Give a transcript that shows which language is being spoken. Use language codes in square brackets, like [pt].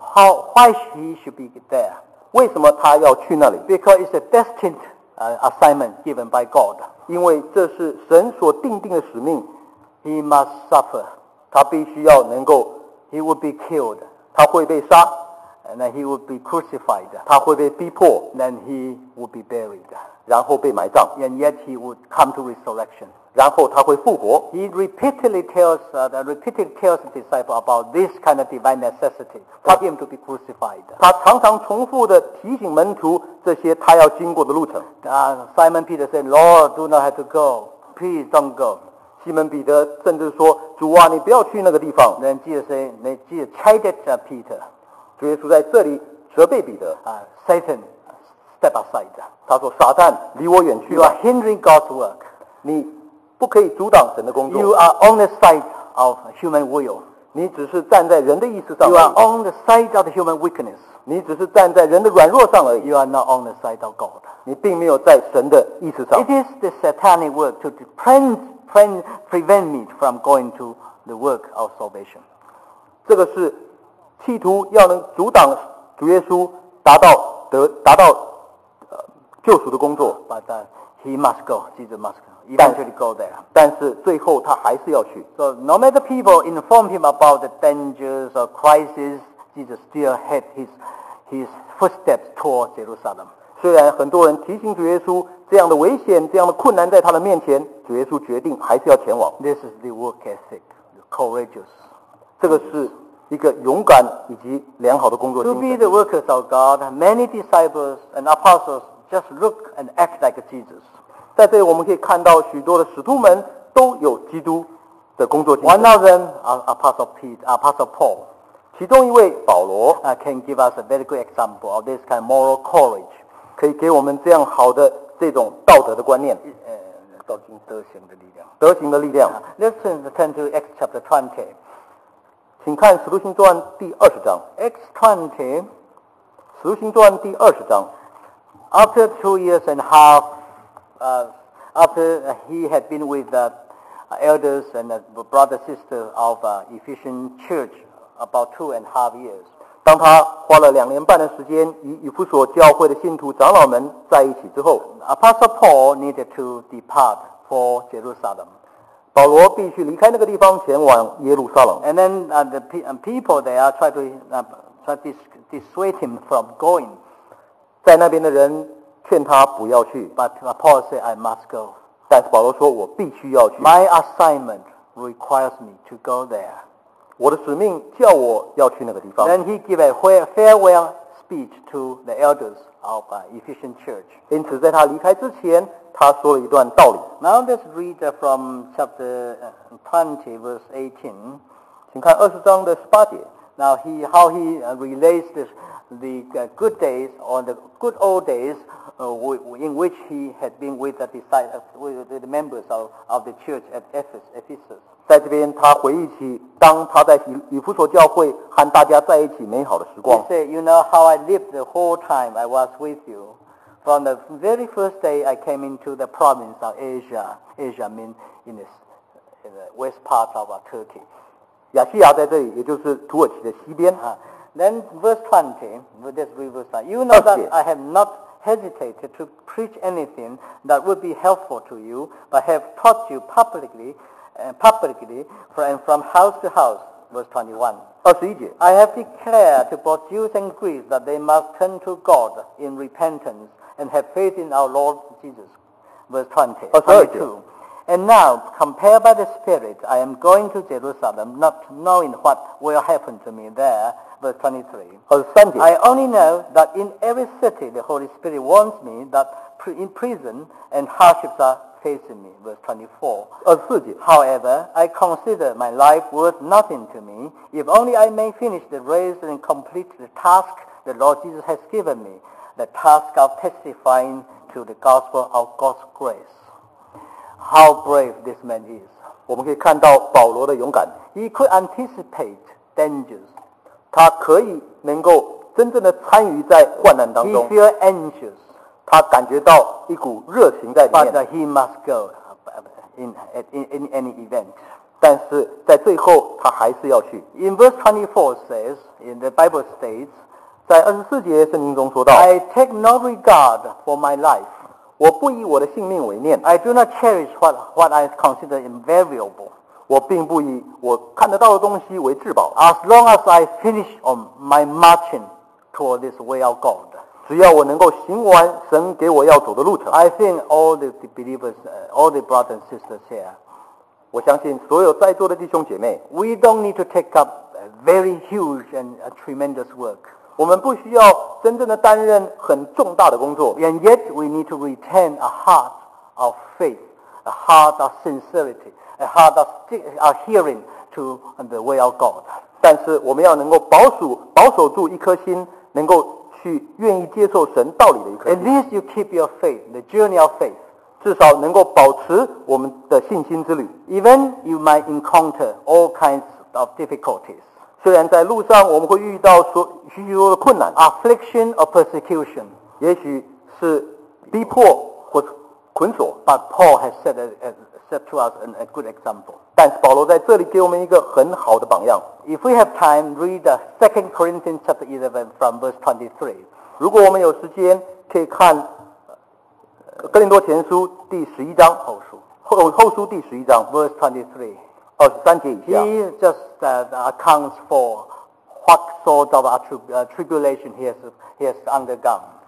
[en] How, why he should be there? [zh] 为什么他要去那里？ [en] Because it's a destined assignment given by God. [zh] 因为这是神所定定的使命。 [en] He must suffer. [zh] 他必须要能够。 [en] He would be killed. [zh] 他会被杀。 [en] And then he would be crucified. [zh] 他会被逼迫。 [en] Then he would be buried. [zh] 然后被埋葬。 [en] And yet he would come to resurrection. [zh] 然后他会复活。 [en] He repeatedly tells the disciple about this kind of divine necessity for him to be crucified. [zh] 他常常重复的提醒门徒这些他要经过的路程。 [en] Simon Peter said, "Lord, do not have to go. Please don't go." [zh] 西门彼得甚至说：“主啊，你不要去那个地方。 [en] ”Then Jesus said, "Then Jesus chided Peter." [zh] 主耶稣在这里责备彼得。 [en] Satan, step aside. [zh] 他说：“撒旦，离我远去吧。 [en] ”You are hindering God's work. [zh] 你不可以阻挡神的工作。 [en] You are on the side of human will. [zh] 你只是站在人的意思上而已。 [en] You are on the side of human weakness. [zh] 你只是站在人的软弱上而已。 [en] You are not on the side of God. [zh] 你并没有在神的意思上。 [en] It is the satanic work to prevent me from going to the work of salvation. [zh] 这个是企图要能阻挡主耶稣达到救赎的工作。 [en] But he must go. Jesus must go. Eventually go there. [zh] 但是最后他还是要去。 [en] So no matter people inform him about the dangers or crises, Jesus still had his footsteps toward Jerusalem. [zh] 虽然很多人提醒主耶稣这样的危险、这样的困难在他的面前，主耶稣决定还是要前往。 [en] This is the work ethic, the courageous. [zh] 这个是一个勇敢以及良好的工作精神。 [en] To be the workers of God, many disciples and apostles just look and act like Jesus. [zh] 在这里我们可以看到许多的使徒们都有基督的工作精神。 [en] One of them, Apostle Paul, [zh] 其中一位保罗 [en] can give us a very good example of this kind of moral courage. [zh] 可以给我们这样好的这种道德的观念。道经德行的力量。德行的力量。 [en] Let's turn to Acts chapter 20. [zh] 请看使徒行传第二十章。 [en] Acts 20, [zh] 使徒行传第二十章。 [en] After 2.5 years,after he had been with the elders and the brother sister of Ephesian church about 2.5 years. [zh] 当他花了两年半的时间与以弗所教会的信徒长老们在一起之后， [en] Apostle Paul needed to depart for Jerusalem. [zh] 保罗必须离开那个地方前往耶路撒冷。 [en] And then the people there tried to dissuade him from going. [zh] 在那边的人劝他不要去。 [en] But Paul said, "I must go." [zh] 但是保罗说，我必须要去。 [en] My assignment requires me to go there. [zh] 我的使命叫我要去那个地方。 [en] Then he gave a farewell speech to the elders of Ephesian church. [zh] 因此，在他离开之前，他说了一段道理。 [en] Now let's read from chapter 20, verse 18. [zh] 请看二十章的十八节。 [en] Now how he relates the good days or the good old days. In which he had been with the members of the church at Ephesus. [zh] 在这边他回忆起当他在以弗所教会和大家在一起美好的时光。 [en] He said, "You know how I lived the whole time I was with you, From the very first day I came into the province of Asia, Asia means in the west part of Turkey. [zh] 亚细亚在这里，也就是土耳其的西边。 [en] Then verse 20, this reverse, you know that I have not hesitated to preach anything that would be helpful to you, but have taught you publicly, publicly from house to house. Verse 21. [zh] 21节. [en] I have declared to both Jews and Greeks that they must turn to God in repentance and have faith in our Lord Jesus. Verse 20. 22. And now, compelled by the Spirit, I am going to Jerusalem, not knowing what will happen to me there. Verse 23. I only know that in every city the Holy Spirit warns me that in prison and hardships are facing me. Verse 24. However, I consider my life worth nothing to me if only I may finish the race and complete the task the Lord Jesus has given me, the task of testifying to the gospel of God's grace. How brave this man is. [zh] 我们可以看到保罗的勇敢。 [en] He could anticipate dangers. [zh] 他可以能够真正的参与在患难当中。 [en] He feel anxious. [zh] 他感觉到一股热情在里面。 [en] But that he must go in any event. [zh] 但是在最后他还是要去。 [en] In verse 24 says, in the Bible states, [zh] 在24节圣经中说到 [en] I take no regard for my life. [zh] 我不以我的性命为念。 [en] I do not cherish what I consider invaluable. [zh] 我并不以我看得到的东西为至宝。 [en] As long as I finish on my marching toward this way of God, [zh] 只要我能够行完神给我要走的路程。 [en] I think all the believers, all the brothers and sisters here, [zh] 我相信所有在座的弟兄姐妹 [en] ，We don't need to take up a very huge and a tremendous work. [zh] 我们不需要真正的担任很重大的工作。 [en] And yet we need to retain a heart of faith, a heart of sincerity. A heart of adhering to the way of God. [zh] 但是我们要能够保守住一颗心，能够去愿意接受神道理的一颗心。 [en] At least you keep your faith, the journey of faith. [zh] 至少能够保持我们的信心之旅。 [en] Even you might encounter all kinds of difficulties. [zh] 虽然在路上我们会遇到许许多的困难。 [en] Affliction or persecution. [zh] 也许是逼迫或捆锁。 [en] But Paul has said set to us a good example. [zh] 但是保罗在这里给我们一个很好的榜样。 [en] If we have time, read the 2 Corinthians chapter 11 from verse 23. [zh] 如果我们有时间，可以看《哥林多前书》第十一章后书第十一章 [en] verse 23. [zh] 23节以下。 [en] He just accounts for what sort of tribulation he has undergone.